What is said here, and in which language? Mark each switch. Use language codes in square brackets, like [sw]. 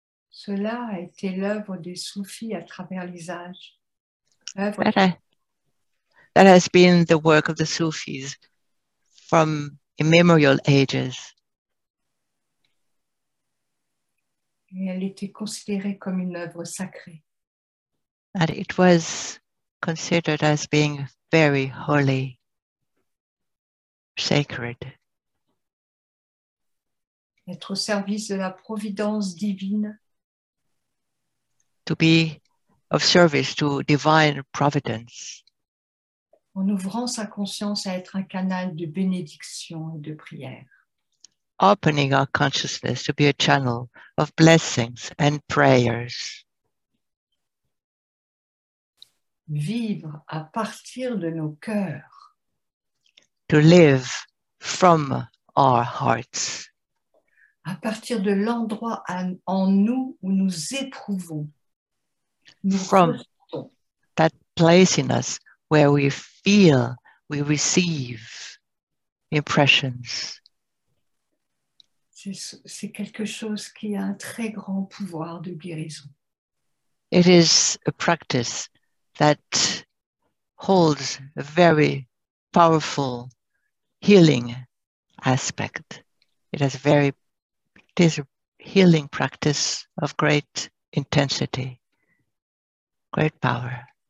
[fr] Cela a été l'œuvre des soufis à travers les âges. [en] That has been the work of the Sufis from immemorial ages. [fr] Et elle était considérée comme une œuvre sacrée. [en] And it was considered as being very holy, sacred. [fr] Être au service de la providence divine. [en] To be of service to divine providence. [fr] En ouvrant sa conscience à être un canal de bénédiction et de prière. [en] Opening our consciousness to be a channel of blessings and prayers. [fr] Vivre à partir de nos cœurs. [en] To live from our hearts. [fr] À partir de l'endroit en nous où nous éprouvons. [en] From that place in us where we feel, we receive impressions. [fr] C'est quelque chose qui a un très grand pouvoir de guérison. [en] It is a practice that holds a very powerful healing aspect. It is a healing practice of great intensity. Great power.